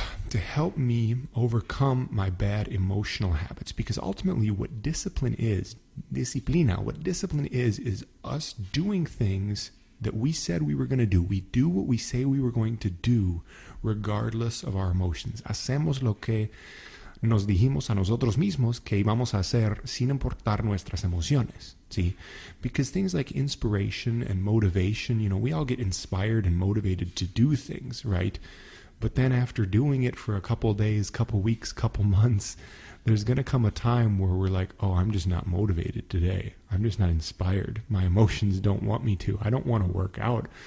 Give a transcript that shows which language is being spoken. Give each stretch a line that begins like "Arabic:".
English: to help me overcome my bad emotional habits. Because ultimately what discipline is, disciplina, what discipline is us doing things that we said we were going to do. We do what we say we were going to do regardless of our emotions.
Spanish: Hacemos lo que nos dijimos a nosotros mismos que íbamos a hacer sin importar nuestras emociones.
English: See? Because things like inspiration and motivation, you know, we all get inspired and motivated to do things, right? But then after doing it for a couple days, couple weeks, couple months, there's going to come a time where we're like, oh, I'm just not motivated today. I'm just not inspired. My emotions don't want me to. I don't want to work out.